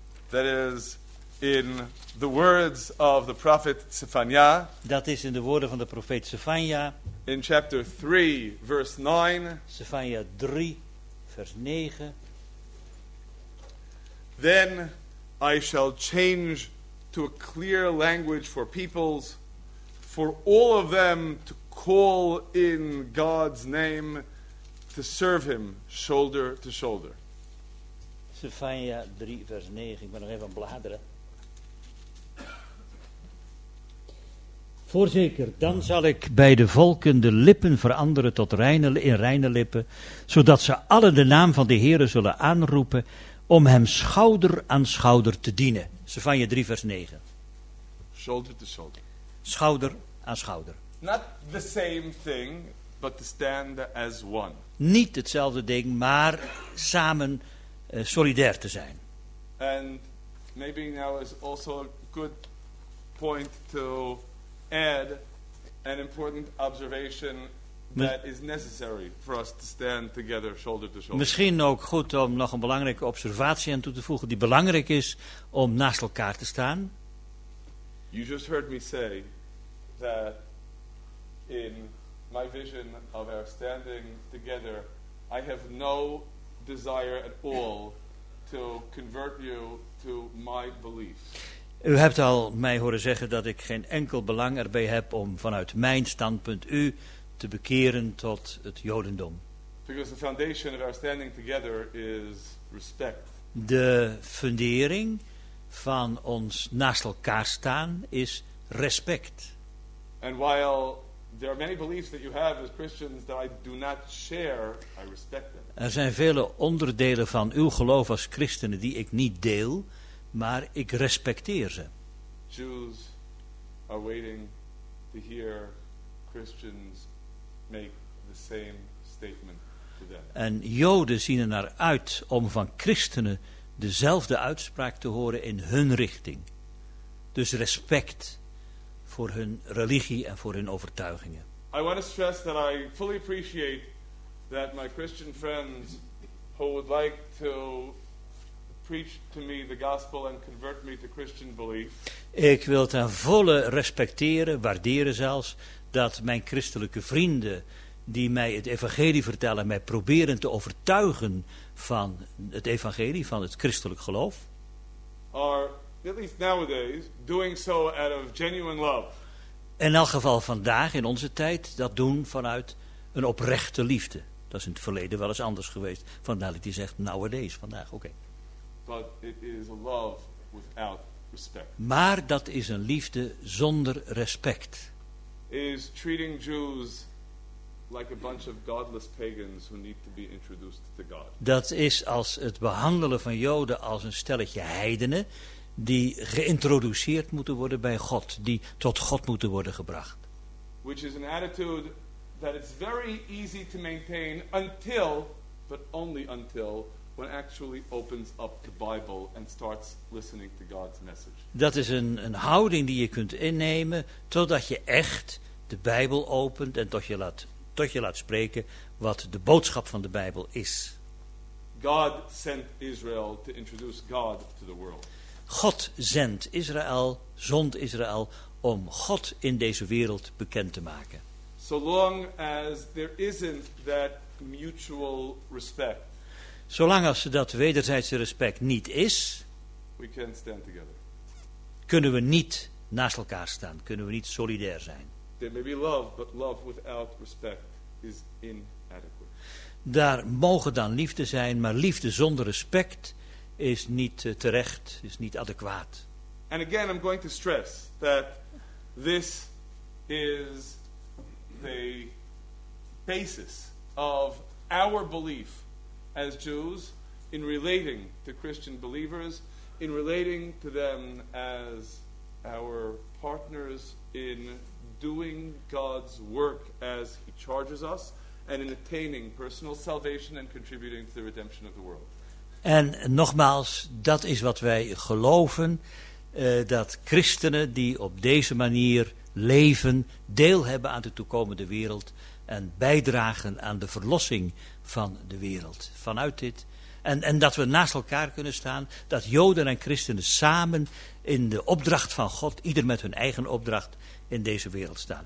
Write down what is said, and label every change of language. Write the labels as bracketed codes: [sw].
[en] That is in the words of the prophet Zephaniah. [nl] Dat is in de woorden van de profeet Zephaniah. [en] In chapter 3, verse 9. [nl] Zephaniah 3, vers 9. [en] Then I shall change to a clear language for peoples, for all of them to call in God's name, to serve him shoulder to shoulder. [nl] Zephaniah 3, vers 9. Ik ben nog even aan bladeren. Voorzeker, dan zal ik bij de volken de lippen veranderen tot reine lippen, zodat ze alle de naam van de Heere zullen aanroepen om hem schouder aan schouder te dienen. Zephaniah 3, vers 9. [en] Shoulder to shoulder. [nl] Schouder aan schouder. [en] Not the same thing, but to stand as one. [nl] Niet hetzelfde ding, maar samen solidair te zijn. [en] And maybe now is also a good point to add an important observation that is necessary for us to stand together shoulder to shoulder. [nl] Misschien ook goed om nog een belangrijke observatie aan toe te voegen die belangrijk is om naast elkaar te staan. [en] You just heard me say that in my vision of our standing together, I have no desire at all to convert you to my beliefs. [nl] U hebt al mij horen zeggen dat ik geen enkel belang erbij heb om vanuit mijn standpunt u te bekeren tot het Jodendom. [en] Because the foundation of our standing together is respect. [nl] De fundering van ons naast elkaar staan is respect. [en] And while there are many beliefs that you have as Christians that I do not share, I respect them. [nl] Er zijn vele onderdelen van uw geloof als christenen die ik niet deel, maar ik respecteer ze. [en] Jews are waiting to hear Christians make the same statement to them. [nl] En Joden zien er naar uit om van christenen dezelfde uitspraak te horen in hun richting. Dus respect voor hun religie en voor hun overtuigingen. [en] I want to stress that I fully appreciate that my Christian friends who would like to preach to me the gospel and convert me to Christian belief. [nl] Ik wil ten volle respecteren, waarderen zelfs, dat mijn christelijke vrienden die mij het evangelie vertellen, mij proberen te overtuigen van het evangelie, van het christelijk geloof. [en] Are, at least nowadays, doing so out of genuine love. [nl] In elk geval vandaag, in onze tijd, dat doen vanuit een oprechte liefde. Dat is in het verleden wel eens anders geweest. Vandaar dat hij zegt, nowadays, vandaag, oké. Okay. [en] But it is a love without respect. [nl] Maar dat is een liefde zonder respect. [en] Is treating Jews like a bunch of godless pagans who need to be introduced to God. [nl] Dat is als het behandelen van Joden als een stelletje heidenen die geïntroduceerd moeten worden bij God, die tot God moeten worden gebracht. [en] Which is an attitude that it's very easy to maintain until, but only until, when actually opens up the Bible and starts listening to God's message. [nl] Dat is een houding die je kunt innemen totdat je echt de Bijbel opent en tot je laat spreken wat de boodschap van de Bijbel is. [en] God sent Israel to introduce God to the world. [nl] God zond Israël om God in deze wereld bekend te maken. [en] So long as there isn't that mutual respect. [nl] Zolang als dat wederzijdse respect niet is, [en] we can't stand together. [nl] Kunnen we niet naast elkaar staan, kunnen we niet solidair zijn. [en] There may be love, but love without respect is inadequate. [nl] Daar mogen dan liefde zijn, maar liefde zonder respect is niet terecht, is niet adequaat. [en] And again, I'm going to stress that this is the basis of our belief as Jews in relating to Christian believers, in relating to them as our partners in doing God's work as he charges us and in attaining personal salvation and contributing to the redemption of the world. [nl] En nogmaals, dat is wat wij geloven, dat christenen die op deze manier leven, deel hebben aan de toekomende wereld en bijdragen aan de verlossing van de wereld. Vanuit dit. En dat we naast elkaar kunnen staan, dat Joden en christenen samen in de opdracht van God, ieder met hun eigen opdracht, in deze wereld staan.